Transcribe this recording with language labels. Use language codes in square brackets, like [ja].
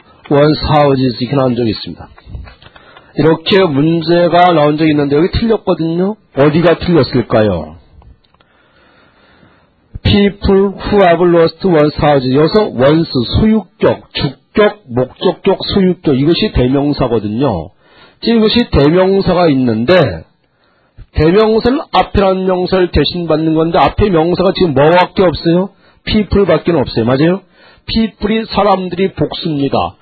[ko] 원스 하우지즈 이렇게 나온 적이 있습니다. 이렇게 문제가 나온 적이 있는데 여기 틀렸거든요. 어디가 틀렸을까요? [en] People who have lost one's house. [ko] 여기서 once, 소유격, 주격, 목적격, 소유격. 이것이 대명사거든요. 지금 이것이 대명사가 있는데, 대명사는 앞이라는 명사를 대신 받는 건데, 앞에 명사가 지금 뭐밖에 없어요? People 밖에 없어요. 맞아요? People이 사람들이 복수입니다.